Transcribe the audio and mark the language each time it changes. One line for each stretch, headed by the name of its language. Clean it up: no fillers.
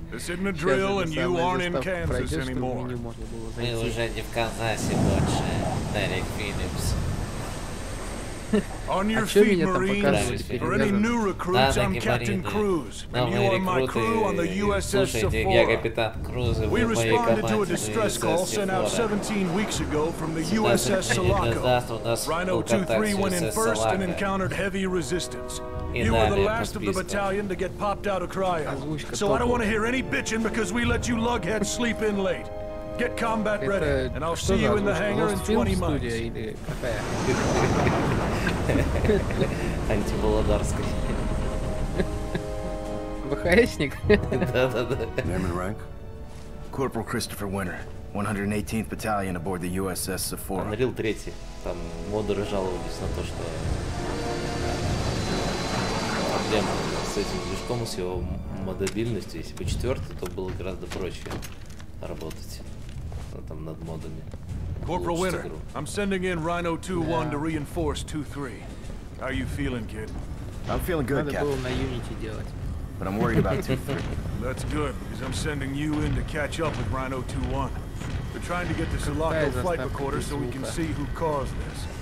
English: This isn't a drill, and you aren't in Kansas anymore.
Russian: Мы уже не в Канзасе больше, Дерек Филлипс.
English: On your feet, Marines. For any new recruits, I'm Captain Cruz, and you are my crew on the USS Sephora. We responded to a distress call sent out 17 weeks ago from the USS Sulaco. Rhino 23 went in first and encountered heavy resistance. You were the last of the battalion to get popped out of cryo, so I don't want to hear any bitching because we let you lugheads sleep in late. Get combat ready, and I'll see you in the hangar in 20 months.
Russian: Антиволодарский. ВХСник? Да-да-да.
English: Name and rank? Corporal Christopher Winter, 118th Battalion aboard the USS Sephora. Unreal 3.
Russian: Там модеры жаловались на то, что... проблема с этим движком, с его модабильностью. Если бы 4, то было гораздо проще работать там над модами.
English: Corporal Winter, I'm sending in Rhino 2-1 to reinforce 2-3. How are you feeling, kid? I'm feeling good,
Russian: Надо
English: Captain.
Russian: Было на Unity делать.
English: But I'm worried about 2-3. That's good, because I'm sending you in to catch up with Rhino 2-1. We're trying to get the Sulaco flight recorder so we can see who caused this.